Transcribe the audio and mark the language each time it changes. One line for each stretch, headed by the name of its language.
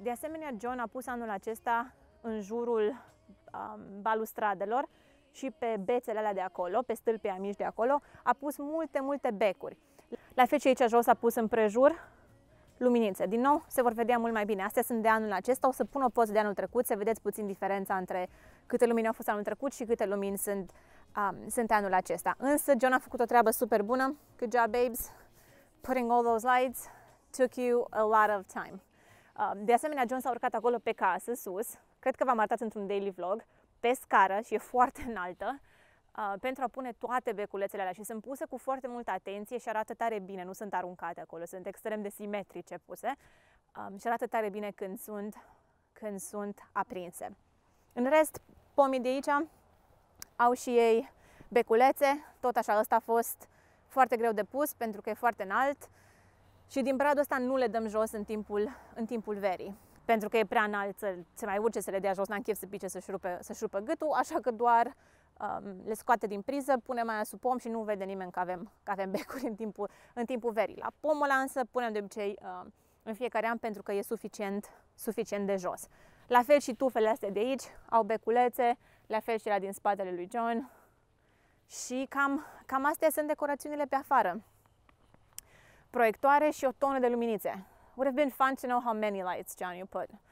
Romanian: De asemenea, John a pus anul acesta în jurul balustradelor și pe bețele alea de acolo, pe stâlpii amici de acolo, a pus multe, multe becuri. La fel și aici jos a pus împrejur luminițe. Din nou, se vor vedea mult mai bine. Astea sunt de anul acesta. O să pun o poză de anul trecut, să vedeți puțin diferența între câte lumini au fost anul trecut și câte lumini sunt, sunt anul acesta. Însă, John a făcut o treabă super bună.
English: Good job, babes. Putting all those lights took you a lot of time.
Romanian: De asemenea, John s-a urcat acolo pe casă, sus. Cred că v-am arătat într-un daily vlog. Pe scară și e foarte înaltă. Pentru a pune toate beculețele alea și sunt puse cu foarte multă atenție și arată tare bine, nu sunt aruncate acolo, sunt extrem de simetrice puse și arată tare bine când sunt, când sunt aprinse. În rest, pomii de aici au și ei beculețe, tot așa, ăsta a fost foarte greu de pus pentru că e foarte înalt și din bradul ăsta nu le dăm jos în timpul, în timpul verii. Pentru că e prea înalt, se mai urce să le dea jos, n-am chef să pice, să-și rupă gâtul, așa că doar le scoate din priză, pune mai sub pom și nu vede nimeni că avem, că avem becuri în timpul, în timpul verii. La pomul ăla însă punem de obicei în fiecare an pentru că e suficient, suficient de jos. La fel și tufele astea de aici au beculețe, la fel și la din spatele lui John. Și cam astea sunt decorațiunile pe afară. Proiectoare și o tonă de luminițe.
English: Would have been fun to know how many lights, John, you put.